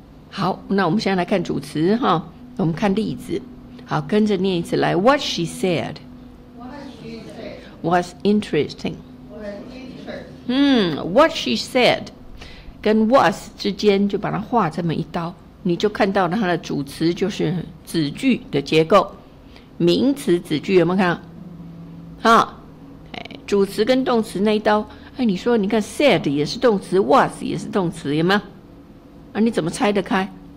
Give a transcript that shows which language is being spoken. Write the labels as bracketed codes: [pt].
[zh] 好，那我们现在来看主词哈，我们看例子。好，跟着念一次来。 [en] What she said was interesting. What she said. [zh] 跟 was 之间就把它画这么一刀，你就看到它的主词就是子句的结构，名词子句有没有看到？主词跟动词那一刀，你说你看 said 也是动词， was 也是动词，有没有？你怎么猜得开？